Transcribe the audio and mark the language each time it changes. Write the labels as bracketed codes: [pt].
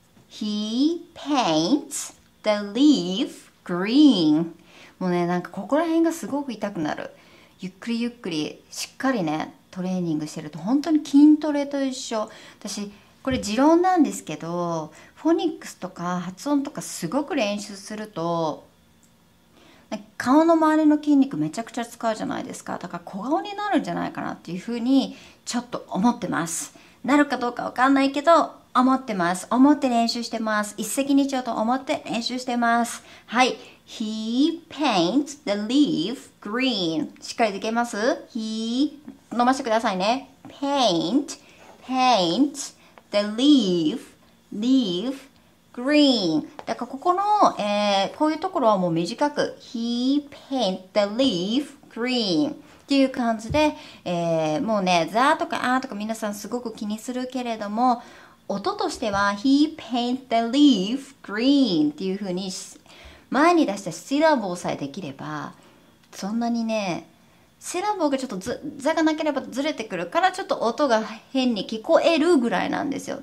[en] He paints the leaf green. [ja] もうね、なんかここら辺がすごく痛くなる。ゆっくりゆっくり、しっかりね、トレーニングしてると本当に筋トレと一緒。私、これ持論なんですけど、フォニックスとか発音とかすごく練習すると、なんか顔の周りの筋肉めちゃくちゃ使うじゃないですか。だから小顔になるんじゃないかなっていうふうにちょっと思ってます。なるかどうかわかんないけど、思ってます。思って練習してます。一石二鳥と思って練習してます。はい。 [en] He paints the leaf green. [ja] しっかりできます? He 伸ばしてくださいね。 [en] Paint, paint the leaf, leaf green. [ja] だからここの、こういうところはもう短く。 [en] He paint the leaf green. [ja] っていう感じで、もうね、ザーとかアーとか皆さんすごく気にするけれども、音としては、 [en] He paint the leaf green [ja] っていう風に、前に出したシラボーさえできれば、そんなにね、シラボーがちょっとザがなければずれてくるから、ちょっと音が変に聞こえるぐらいなんですよ。